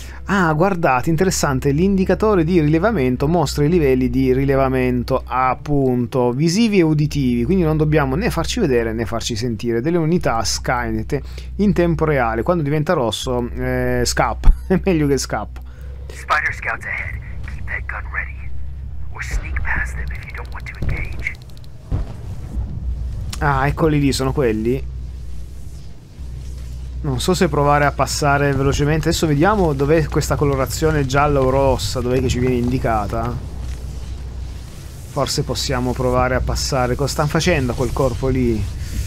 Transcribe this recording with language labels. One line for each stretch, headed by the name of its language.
Italian: Ah, guardate, interessante, l'indicatore di rilevamento mostra i livelli di rilevamento, appunto, visivi e uditivi, quindi non dobbiamo né farci vedere né farci sentire. Delle unità Skynet in tempo reale, quando diventa rosso, scappa, è meglio che scappa.
English: Spider scouts ahead, keep that gun ready. Or sneak past them if you don't want to engage.
Italian: Ah, eccoli lì, sono quelli. Non so se provare a passare velocemente. Adesso vediamo dov'è questa colorazione gialla o rossa, dov'è che ci viene indicata. Forse possiamo provare a passare. Cosa stanno facendo quel corpo lì?